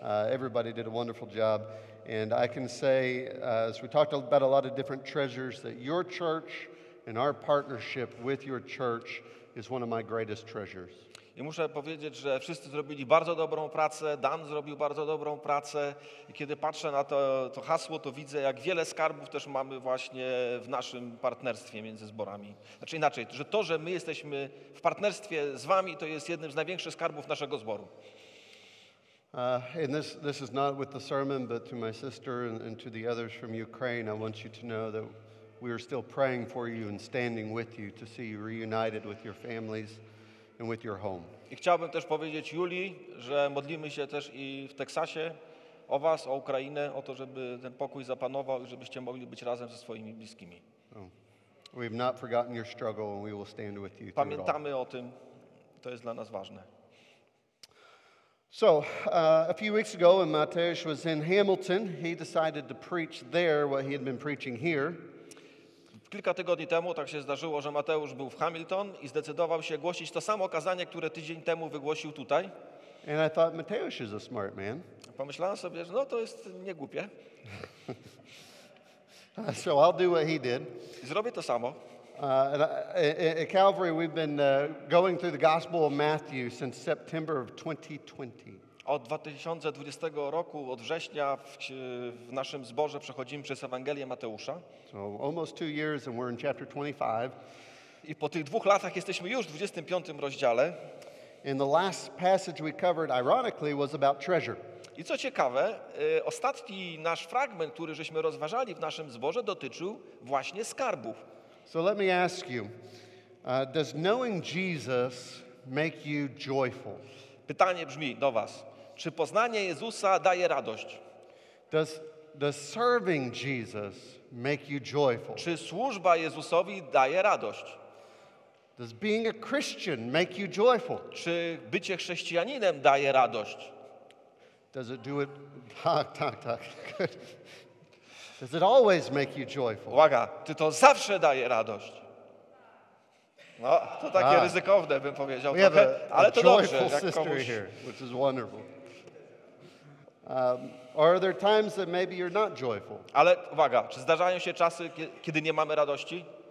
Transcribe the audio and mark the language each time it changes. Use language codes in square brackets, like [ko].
[en] Everybody did a wonderful job. And I can say, as we talked about a lot of different treasures, that your church and our partnership with your church is one of my greatest treasures. [pl] I muszę powiedzieć, że wszyscy zrobili bardzo dobrą pracę, Dan zrobił bardzo dobrą pracę. I kiedy patrzę na to hasło, to widzę, jak wiele skarbów też mamy właśnie w naszym partnerstwie między zborami. Znaczy inaczej, że to, że my jesteśmy w partnerstwie z wami, to jest jednym z największych skarbów naszego zboru. [en] And this is not with the sermon, but to my sister and to the others from Ukraine, I want you to know that we are still praying for you and standing with you to see you reunited with your families and with your home. [pl] I chciałbym też powiedzieć Julii, że modlimy się też i w Teksasie o was, o Ukrainę, o to, żeby ten pokój zapanował i żebyście mogli być razem ze swoimi bliskimi. [en] We have not forgotten your struggle and we will stand with you. [pl] Pamiętamy o tym. To jest dla nas ważne. [en] So, a few weeks ago when Mateusz was in Hamilton, he decided to preach there what he had been preaching here. [pl] Kilka tygodni temu tak się zdarzyło, że Mateusz był w Hamilton i zdecydował się głosić to samo kazanie, które tydzień temu wygłosił tutaj. [en] And I thought, Mateusz is a smart man. [pl] Pomyślałem sobie, że no to jest niegłupie. [en] So I'll do what he did. [pl] Zrobię to samo. [en] At Calvary we've been going through the Gospel of Matthew since September of 2020. [pl] Od 2020 roku, od września w naszym zborze przechodzimy przez Ewangelię Mateusza. [en] So almost 2 years and we're in chapter 25. [pl] I po tych 2 latach jesteśmy już w 25 rozdziale. [en] And the last passage we covered, ironically, was about treasure. [pl] I co ciekawe, ostatni nasz fragment, który żeśmy rozważali w naszym zborze, dotyczył właśnie skarbów. [en] So let me ask you, does knowing Jesus make you joyful? [pl] Pytanie brzmi do was. Czy poznanie Jezusa daje radość? [en] Does serving Jesus make you joyful? [pl] Czy służba Jezusowi daje radość? [en] Does being a Christian make you joyful? [pl] Czy bycie chrześcijaninem daje radość? [en] Does it do it? Tak. Good. Does it always make you joyful? [pl] Uwaga, czy to zawsze daje radość? No, to takie ryzykowne, bym powiedział. [en] We [pl] trochę, ale to dobrze. [en] Joyful sister here, which is wonderful. Are there times that maybe you're not joyful? [pl] Ale uwaga, czy zdarzają się czasy, kiedy nie mamy radości?